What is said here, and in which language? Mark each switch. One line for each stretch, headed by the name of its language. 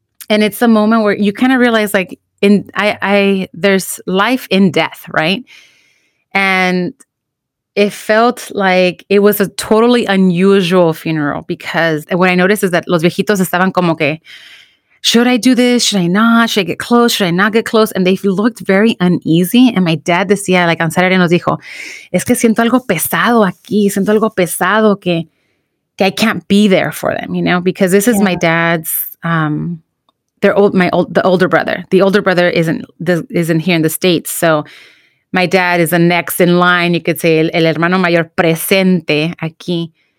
English: And it's a moment where you kind of realize like there's life in death, right? And it felt like it was a totally unusual funeral, because what I noticed is that
Spanish: los viejitos estaban como que,
English: should I do this? Should I not? Should I get close? Should I not get close? And they looked very uneasy. And my dad
Spanish: decía,
English: like on Saturday,
Spanish: nos dijo, es que siento algo pesado aquí. Siento algo pesado que
English: I can't be there for them, you know, because this is my dad's, the older brother isn't here in the States. So my dad is the next in line, you could say,
Spanish: el hermano mayor presente aquí.